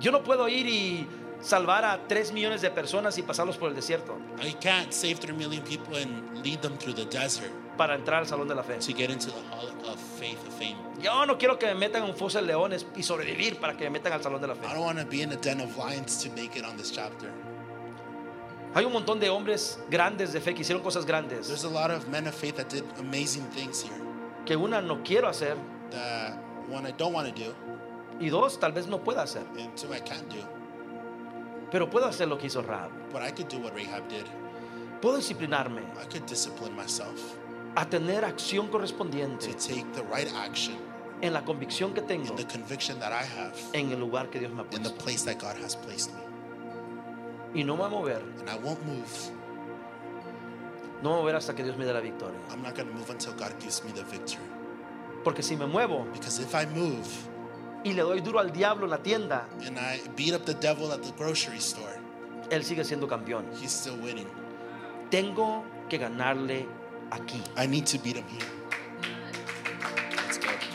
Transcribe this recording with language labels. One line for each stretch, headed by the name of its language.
Spanish: Yo no puedo ir y salvar a 3 millones de personas y pasarlos por el desierto.
English: I can't save 3 million people and lead them through the desert.
Spanish: Para entrar al salón de la fe.
English: To get into the hall of faith, of fame.
Spanish: Yo no quiero que me metan en un foso de leones y sobrevivir para que me metan al salón de la fe.
English: I don't want to be in a den of lions to make it on this chapter.
Spanish: Hay un montón de hombres grandes de fe que hicieron cosas grandes.
English: There's a lot of men of faith that did amazing things here.
Spanish: Que una no quiero hacer.
English: That one I don't want to do.
Spanish: Y dos, tal vez no pueda hacer.
English: And two, I can't do.
Spanish: Pero puedo hacer lo que hizo Rahab.
English: But I could do what Rahab did.
Spanish: Puedo disciplinarme.
English: I could discipline myself.
Spanish: A tener acción correspondiente.
English: To take the right action.
Spanish: En la convicción que tengo.
English: In the conviction that I have.
Spanish: En el lugar que Dios me ha puesto.
English: In the place that God has placed me.
Spanish: Y no me voy a mover.
English: And I won't move.
Spanish: No me voy a mover hasta que Dios me dé la victoria.
English: I'm not going to move until God gives me the victory.
Spanish: Porque si me muevo.
English: Because if I move.
Spanish: Y le doy duro al diablo en la tienda.
English: And I beat up the devil at the grocery store.
Spanish: Él sigue siendo campeón.
English: He's still winning.
Spanish: Tengo que ganarle aquí.
English: I need to beat him here. Let's go.